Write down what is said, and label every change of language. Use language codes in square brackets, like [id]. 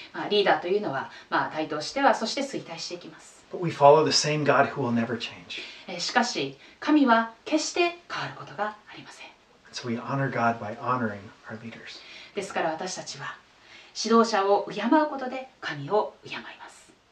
[ja] リーダーというのは、台頭してはそして衰退していきます。 [en] But we follow the same God who will never change. [ja] しかし神は決して変わることがありません。 [en] So we honor God by honoring our leaders. [ja] ですから私たちは指導者を敬うことで神を敬います。